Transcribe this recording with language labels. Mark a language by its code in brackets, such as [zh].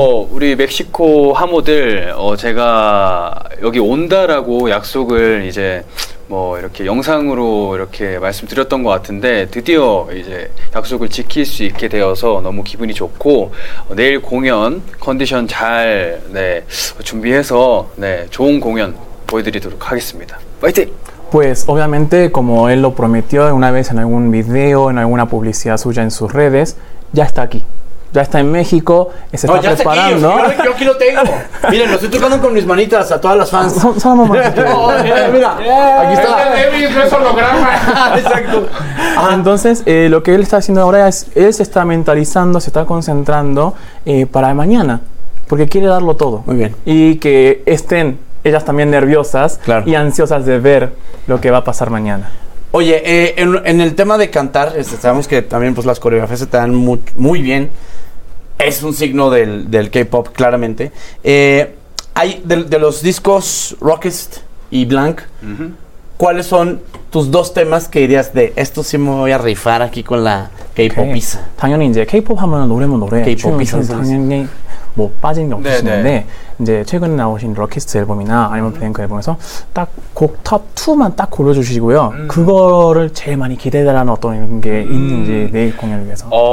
[ko] 우리 멕시코 하모들 제가 여기 온다라고 약속을 이제 뭐 이렇게 영상으로 이렇게 말씀드렸던 것 같은데 드디어 이제 약속을 지킬 수 있게 되어서 너무 기분이 좋고 내일 공연 컨디션 잘 준비해서 좋은 공연 보여드리도록 하겠습니다. 파이팅! [es] Pues obviamente, como él lo prometió una vez en algún video, en alguna publicidad suya en sus redes, ya está aquí. Ya está en México, se está preparando. Aquí, yo aquí lo tengo. Miren, lo estoy tocando con mis manitas a todas las fans. Son mamás. Mira, aquí está. Es holograma. Exacto. Entonces, lo que él está haciendo ahora es, él se está mentalizando, se está concentrando para mañana, porque quiere darlo todo. Muy bien. Y que estén ellas también nerviosas, claro, y ansiosas de ver lo que va a pasar mañana. Oye, en el tema de cantar, sabemos que también pues las coreografías se te dan muy bien. Es un signo del K-pop, claramente. Hay de los discos Rockest y Blank, uh-huh, ¿cuáles son tus dos temas que dirías de esto sí me voy a rifar aquí con la K-popisa? Okay. [ko] 당연히 이제 K-pop 하면 노래. [es] K-popisa. [ko] 당연히 뭐 빠진 게 없을 수 있는데 이제 최근에 나오신 Rockest 앨범이나 아니면 Blank 앨범에서 딱 곡 top 2만 딱 골라주시고요. 그거를 제일 많이 기대되라는 어떤 이런 게 있는지 내일 공연을 위해서.